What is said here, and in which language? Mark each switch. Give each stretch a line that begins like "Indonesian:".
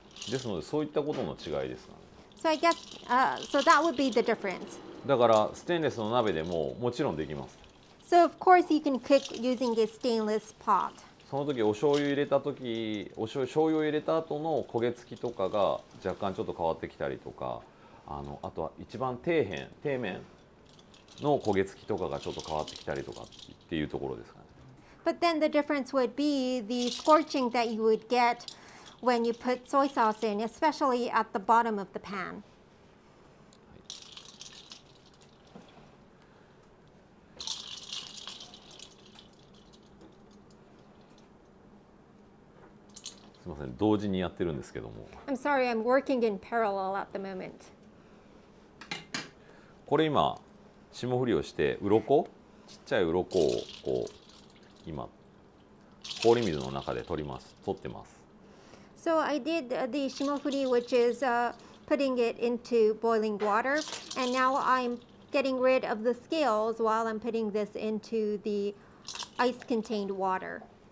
Japanese: ですので、そういったことの違いですか。
English: So I guess, so that would be the difference.
Japanese: だから、ステンレスの鍋でももちろんできます。
English: So of course you can cook using a stainless pot.
Japanese: その時お醤油入れた時、醤油を入れた後の焦げ付きとかが若干ちょっと変わってきたりとか、あとは一番底面の焦げ付きとかがちょっと変わってきたりとかっていうところですかね。
English: But then the difference would be the scorching that you would get when you put soy sauce in, especially at the bottom of the pan.、はい、
Japanese: すみません、同時にやってるんですけども。
English: I'm sorry, I'm working in parallel at the moment.
Japanese: これ今霜降りをして鱗、ちっちゃい鱗をこう今氷水の中で取ってます。
English: So I did the 霜降り which is putting it into boiling water, and now I'm getting rid of the scales while I'm putting this into the ice-contained water.